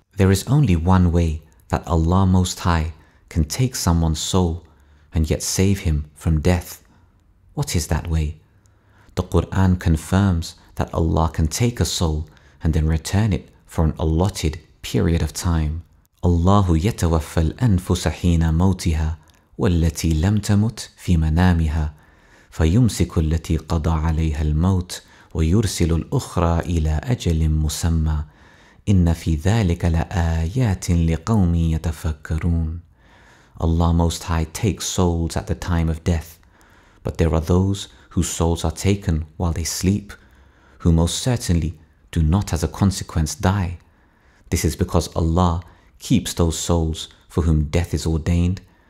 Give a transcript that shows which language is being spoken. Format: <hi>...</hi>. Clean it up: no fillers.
<en>There is only one way that Allah Most High can take someone's soul and yet save him from death. What is that way? The Qur'an confirms that Allah can take a soul and then return it for an allotted period of time.</en> <ar>اللَّهُ يَتَوَفَّى الْأَنفُسَ حِينَ مَوْتِهَا وَالَّتِي لَمْ تَمُتْ فِي مَنَامِهَا فَيُمْسِكُ الَّتِي قَضَى عَلَيْهَا الْمَوْتِ ويرسل الأخرى إلى أجل مسمى إن في ذلك لآيات لقوم يتفكرون.</ar> <en>Allah Most High takes souls at the time of death, but there are those whose souls are taken while they sleep, who most certainly do not as a consequence die. This is because Allah keeps those souls for whom death is ordained,</en>